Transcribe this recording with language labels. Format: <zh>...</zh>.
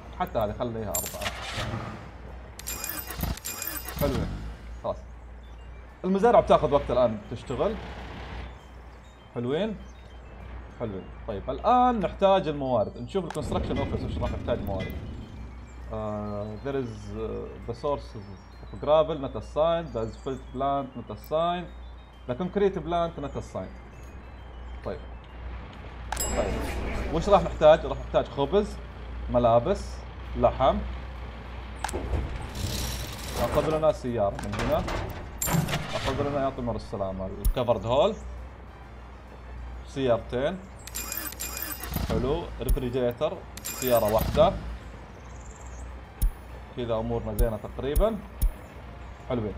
<ar>حتى هذه خليها أربعة. حلوين. خلاص المزارع بتاخذ وقت الآن تشتغل. حلوين حلوين. طيب الان نحتاج الموارد، نشوف الكونستراكشن اوفيس ايش راح نحتاج موارد.</ar> <en>There is the sources of gravel not assigned, there is filled plant not assigned, the concrete plant not assigned.</en> <ar>طيب طيب وش راح نحتاج؟ راح نحتاج خبز، ملابس، لحم. اخذ لنا سيارة من هنا، اخذ لنا يا طمر السلامة الكفرد هول، سيارتين حلو، ريفريجيتر سيارة واحدة، كذا امورنا زينة تقريبا. حلوين.</ar>